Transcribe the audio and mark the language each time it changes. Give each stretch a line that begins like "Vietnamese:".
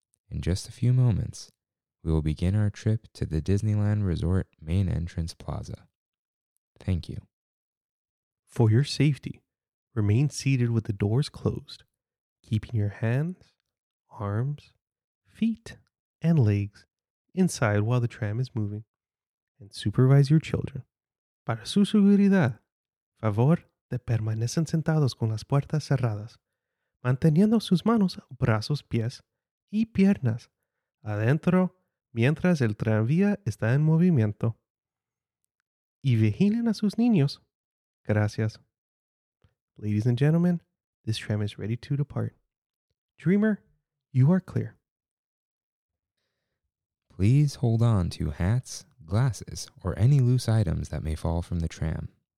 English: In just a few moments, we will begin our trip to the Disneyland Resort Main Entrance Plaza. Thank you. For your safety, remain seated with the doors closed, keeping your hands, arms, feet, and legs inside while the tram is moving, and supervise your children.
Spanish: Para su seguridad, favor de permanecer sentados con las puertas cerradas, manteniendo sus manos, brazos, pies y piernas adentro mientras el tranvía está en movimiento. Y vigilen a sus niños. Gracias.
English: Ladies and gentlemen, this tram is ready to depart. Dreamer, you are clear. Please hold on to hats, glasses, or any loose items that may fall from the tram.